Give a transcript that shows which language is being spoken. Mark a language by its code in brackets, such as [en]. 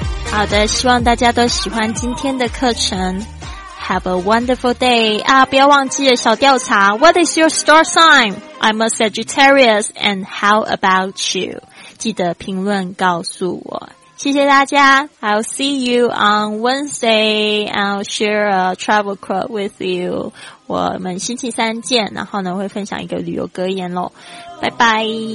[zh] 好的，希望大家都喜欢今天的课程。 [en] Have a wonderful day. [zh] 啊，不要忘记了小调查。 [en] What is your star sign? I'm a Sagittarius, and how about you? [zh] 记得评论告诉我。谢谢大家。 [en] I'll see you on Wednesday. I'll share a travel quote with you. [zh] 我们星期三见，然后呢，会分享一个旅游格言咯。拜拜。